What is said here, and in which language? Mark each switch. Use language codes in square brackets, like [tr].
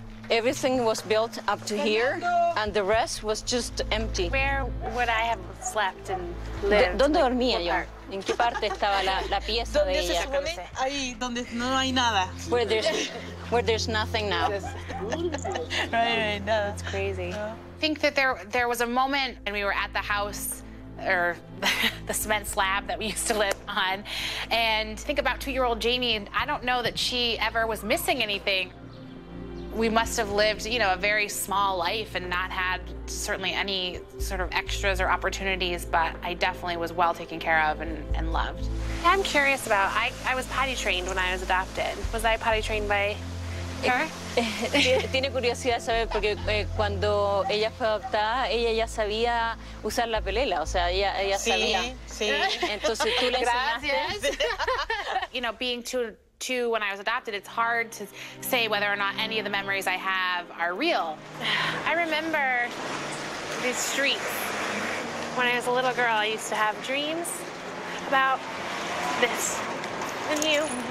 [en] Everything was built up to here, and the rest was just empty. Where would I have slept and lived? [es] ¿Dónde dormía yo? ¿En qué parte estaba la pieza de ella? ¿Dónde se supone? Ahí, donde no hay nada. [en] Where there's nothing now. Right, no. That's crazy. No. I think that there was a moment when we were at the house, or the cement slab that we used to live on, and think about two-year-old Jamie, and I don't know that she ever was missing anything. We must have lived, you know, a very small life and not had certainly any sort of extras or opportunities, but I definitely was well taken care of and loved. I'm curious about, I was potty trained when I was adopted. Was I potty trained by her? [es] Tiene curiosidad saber porque cuando ella fue adoptada, ella ya sabía usar la pelela, o sea, ella sí, sabía. Sí. Entonces tú le enseñaste. [en] You know, being too, when I was adopted, it's hard to say whether or not any of the memories I have are real. I remember these streets. When I was a little girl, I used to have dreams about this and you.